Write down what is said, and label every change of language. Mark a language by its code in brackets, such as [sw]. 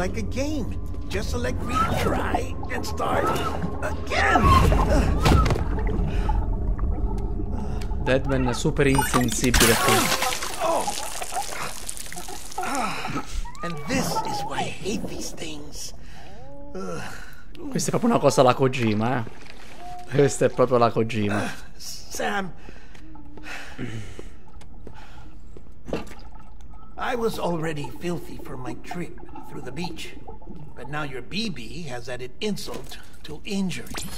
[en] like a game. Just select me, try, and start again. [it] Deadman è super insensibile qui. [en] And this is why I hate these things. [it] Questa è proprio una cosa alla Kojima, eh. Questa è proprio la Kojima. [en] Sam, I was already filthy for my trip through the beach, but now your BB has added insult to injury.